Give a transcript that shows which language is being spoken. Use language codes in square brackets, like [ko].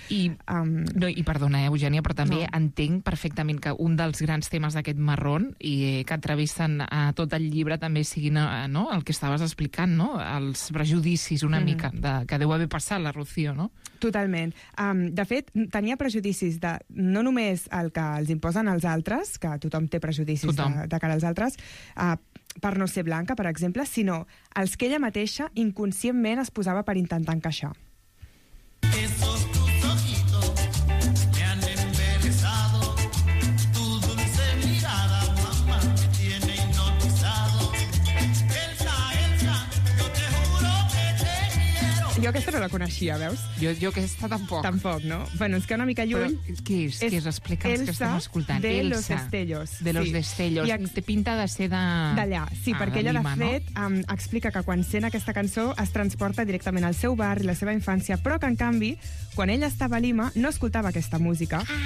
[ca] I, no, i perdona, Eugènia, però també no. Entenc perfectament que un dels grans temes d'aquest marrón i que travessen a tot el llibre també siguin no, el que estaves explicant, no?, els prejudicis una mica de, que deu haver passat la Rocío, no? Totalment. De fet, tenia prejudicis de no només el que els imposen als altres, que tothom té prejudicis de cara als altres, per no ser blanca, per exemple, sinó els que ella mateixa inconscientment es posava per intentar encaixar. [es] Estos tus ojitos me han embelesado. Tu dulce mirada, mamá, me tiene hipnotizado. Elsa, Elsa, yo te juro que te quiero. [ca] Jo aquesta no la coneixia, veus? Jo aquesta tampoc. Tampoc, no? Bueno, és que una mica lluny... Però, què és? Què és? Explica'ns Elsa que estem escoltant. De Elsa, [es] de los destellos. De los destellos. [ca] Sí. I té pinta de ser de... D'allà, sí, perquè ella, Lima, de fet, no? Explica que quan sent aquesta cançó es transporta directament al seu barri, la seva infància, però que, en canvi, quan ella estava a Lima, no escoltava aquesta música.